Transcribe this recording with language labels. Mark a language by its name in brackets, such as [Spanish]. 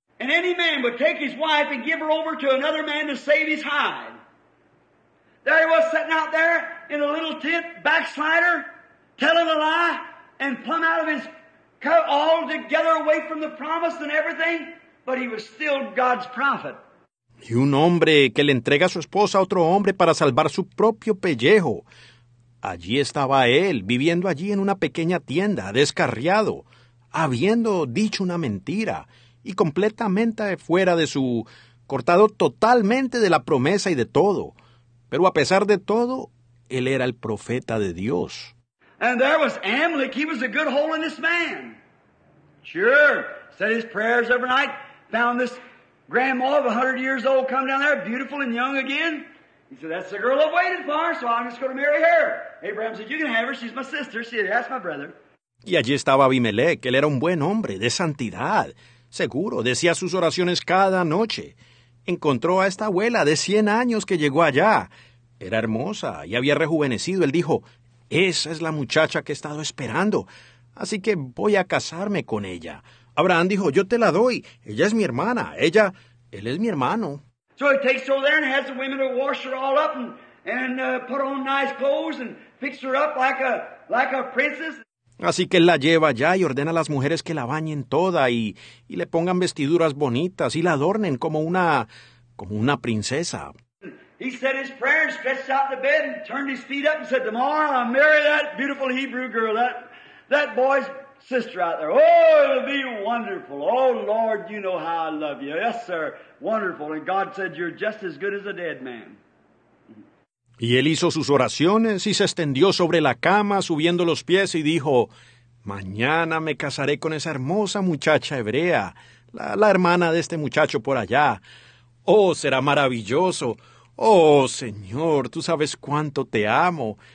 [English] And any man would take his wife and give her over to another man to save his hide. There he was sitting out there in a little tent, backslider. Tell him a lie and plumb out of his cut all together away from the promise and everything, but he was still God's prophet. [Spanish] Y un hombre que le entrega a su esposa a otro hombre para salvar su propio pellejo. Allí estaba él, viviendo allí en una pequeña tienda, descarriado, habiendo dicho una mentira y completamente fuera de su, cortado totalmente de la promesa y de todo. Pero a pesar de todo, él era el profeta de Dios. [English] And there was Amalek. He was a good, holiness man. Sure. Said his prayers every night. Found this grandma of 100 years old come down there, beautiful and young again. He said, that's the girl I've waited for, so I'm just going to marry her. Abraham said, you can have her. She's my sister. She said, that's my brother. [Spanish] Y allí estaba Abimelech. Él era un buen hombre, de santidad. Seguro. Decía sus oraciones cada noche. Encontró a esta abuela de 100 años que llegó allá. Era hermosa y había rejuvenecido. Él dijo, esa es la muchacha que he estado esperando, así que voy a casarme con ella. Abraham dijo, yo te la doy, ella es mi hermana, ella, él es mi hermano. [English] So he takes her there and has the women to wash her all up and put on nice clothes and fix her up like a princess. [Spanish] Así que él la lleva allá y ordena a las mujeres que la bañen toda y le pongan vestiduras bonitas y la adornen como una princesa. [English] He said his prayer, stretched out the bed, and turned his feet up and said, tomorrow I'll marry that beautiful Hebrew girl, that boy's sister out there. Oh, it'll be wonderful. Oh, Lord, you know how I love you. Yes, sir. Wonderful. And God said, you're just as good as a dead man. [Spanish] Y él hizo sus oraciones y se extendió sobre la cama, subiendo los pies, y dijo, mañana me casaré con esa hermosa muchacha hebrea, la hermana de este muchacho por allá. Oh, será maravilloso. Oh, Señor, tú sabes cuánto te amo.